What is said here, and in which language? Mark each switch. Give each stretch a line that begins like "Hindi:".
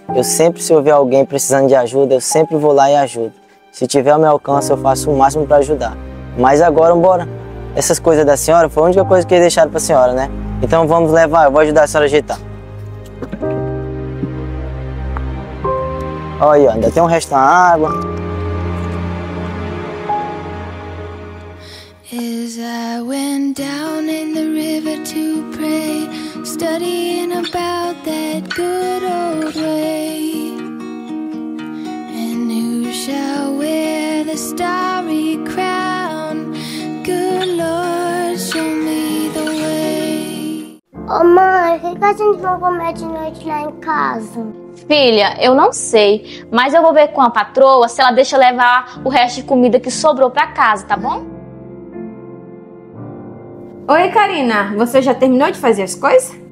Portuguese: Eu sempre, se houver alguém precisando de ajuda, eu sempre vou lá e ajudo. Se tiver ao meu alcance, eu faço o máximo para ajudar. Mas agora, bora. essas coisas da senhora foi a única coisa que eles deixaram pra senhora, né? Então vamos levar, eu vou ajudar a senhora a ajeitar. Olha aí, ó, ainda tem um resto na água.
English: As I went down in the river to pray, studying about that good old way, and who shall wear the starry crown? Good Lord, show me the way.
Portuguese: Ô mãe, o que a gente vai comer de noite lá em casa? Filha, eu não sei, mas eu vou ver com a patroa se ela deixa levar o resto de comida que sobrou pra casa, tá bom? Oi, Karina. Você já terminou de fazer as coisas?